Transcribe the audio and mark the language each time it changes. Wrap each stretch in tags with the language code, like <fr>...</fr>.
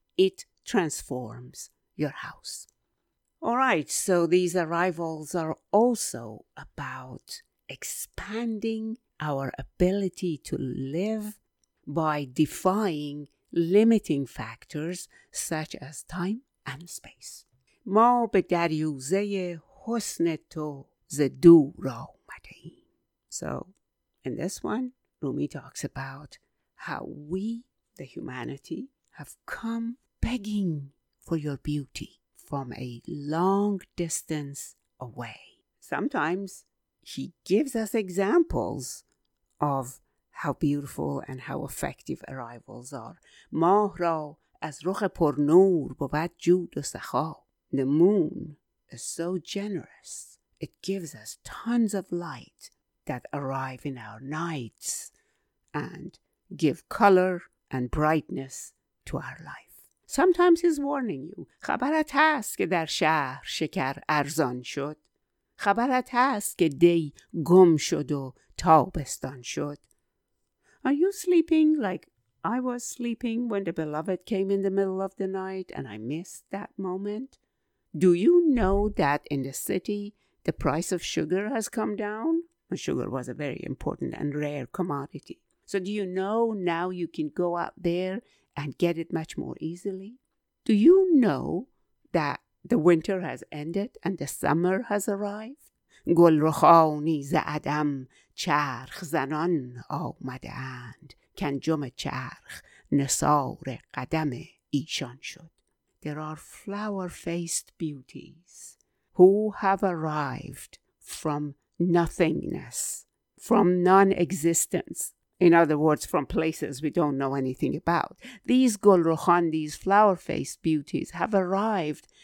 <en>It transforms your house. All right, so these arrivals are also about expanding our ability to live by defying limiting factors such as time and space.</en> <fa>ما به دریوزه حسن تو ز دور آمدیم.</fa> <en>So, in this one, Rumi talks about how we, the humanity, have come begging for your beauty from a long distance away. Sometimes he gives us examples of how beautiful and how effective arrivals are.</en> <fa>ماه را از رخ پر نور بود جود و سخا.</fa> <en>The moon is so generous. It gives us tons of light that arrive in our nights and give color and brightness to our life. Sometimes he's warning you.</en> <fa>خبرت هست که در شهر شکر ارزان شد. خبرت هست که دی گم شد و تابستان شد.</fa> <en>Are you sleeping like I was sleeping when the beloved came in the middle of the night and I missed that moment? Do you know that in the city, the price of sugar has come down? Sugar was a very important and rare commodity. So do you know now you can go out there and get it much more easily? Do you know that the winter has ended and the summer has arrived?</en> <fa>گلرخانی ز عدم چرخ زنان آمدند. کنجم چرخ نثار قدم ایشان شد.</fa> <en>There are flower-faced beauties who have arrived from nothingness, from non-existence. In other words, from places we don't know anything about. These gulrukhan, these flower-faced beauties have arrived.</en>